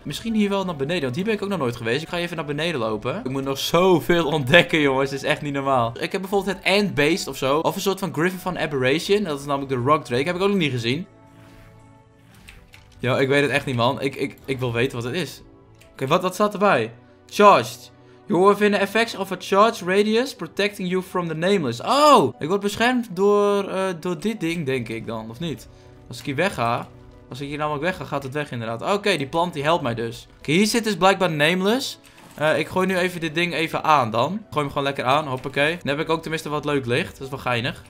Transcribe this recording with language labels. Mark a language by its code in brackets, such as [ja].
[nl] Misschien hier wel naar beneden, want hier ben ik ook nog nooit geweest. Ik ga even naar beneden lopen. Ik moet nog zoveel ontdekken, jongens. Dat is echt niet normaal. Ik heb bijvoorbeeld het Ant Beast of zo. Of een soort van Griffin van Aberration. Dat is namelijk de Rock Drake. Heb ik ook nog niet gezien. Yo, ik weet het echt niet, man. Ik wil weten wat het is. Oké, okay, wat staat erbij? Charged. [en] You are within the effects of a charge radius protecting you from the nameless. [nl] Oh, ik word beschermd door dit ding, denk ik dan, of niet? Als ik hier wegga, als ik hier namelijk wegga, gaat het weg inderdaad. Oké, die plant die helpt mij dus. Oké, hier zit dus blijkbaar nameless. Ik gooi nu even dit ding even aan dan. Gooi hem gewoon lekker aan, hoppakee. Dan heb ik ook tenminste wat leuk licht, dat is wel geinig.